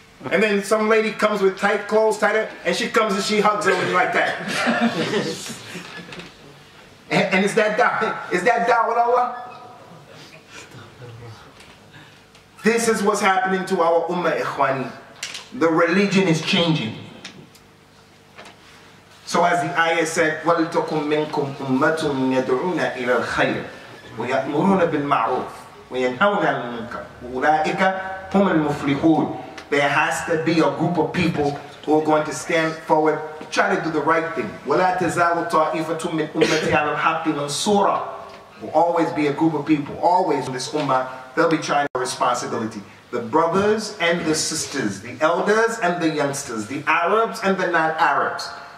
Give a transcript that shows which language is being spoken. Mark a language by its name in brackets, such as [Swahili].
[English] And then some lady comes with tight clothes, tighter, and she comes and she hugs him like that. And is that Dawud Allah? This is what's happening to our ummah, ikhwani. The religion is changing. So as the ayah said, [Arabic] وَلْتَكُمْ مِنْكُمْ أُمَّةٌ يَدْعُونَ إِلَى الْخَيْرِ وَيَأْمُرُونَ بِالْمَعْرُوفِ وَيَنْهَوْنَ عَنِ الْمُنكَرِ أُولَٰئِكَ هُمُ الْمُفْلِحُونَ. [English] There has to be a group of people who are going to stand forward, try to do the right thing. [Arabic] وَلَا تَزَالُ طَائِفَةٌ مِنْ أُمَّةِ عَلَى الْحَقِّ مَنْصُورًا. [English] Will always be a group of people, always in this ummah, they'll be trying their responsibility. The brothers and the sisters, the elders and the youngsters, the Arabs and the non-Arabs.